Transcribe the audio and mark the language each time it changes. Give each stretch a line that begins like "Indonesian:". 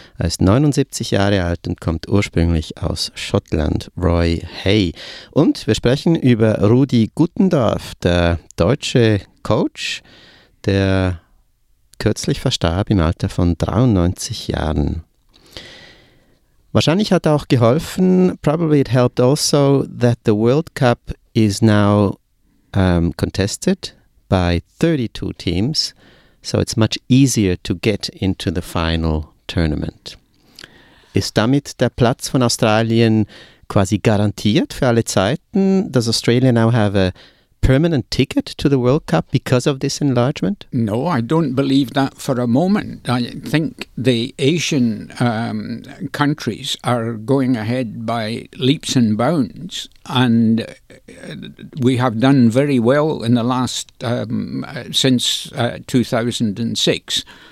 German: Er ist 79 Jahre alt und kommt ursprünglich aus Schottland, Roy Hay. Und wir sprechen über Rudi Guttendorf, der deutsche Coach, der kürzlich verstarb im Alter von 93 Jahren. Wahrscheinlich hat auch geholfen,
English: probably it helped also, that the World Cup is now contested by 32 teams, so it's much easier to get into the final tournament.
German: Ist damit der Platz von Australien quasi garantiert für alle Zeiten?
English: Does Australia now have a permanent ticket to the World Cup because of this enlargement? No, I don't believe that for a moment. I think the Asian countries are going ahead by leaps and bounds, and we have done very well in the last since 2006.